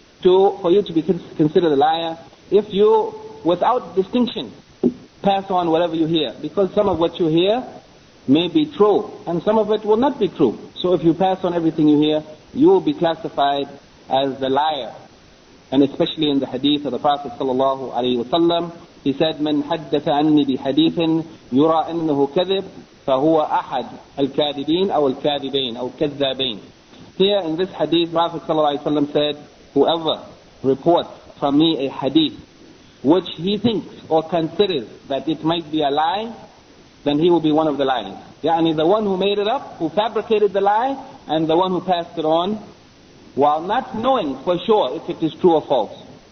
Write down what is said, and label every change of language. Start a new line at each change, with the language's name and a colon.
English: for you to be considered a liar if you, without distinction, pass on whatever you hear. Because some of what you hear may be true, and some of it will not be true. So if you pass on everything you hear, you will be classified as a liar. And especially in the hadith of the Prophet sallallahu alayhi wa sallam, he said,
Arabic: من حدث عني بحديث يرى أنه كذب فهو أحد الكاذبين أو الكاذبين أو كذابين.
English: Here in this hadith, Prophet sallallahu alayhi wa sallam said, whoever reports from me a hadith which he thinks or considers that it might be a lie, then he will be one of the liars. Yani the one who made it up, who fabricated the lie, and the one who passed it on, while not knowing for sure if it is true or false.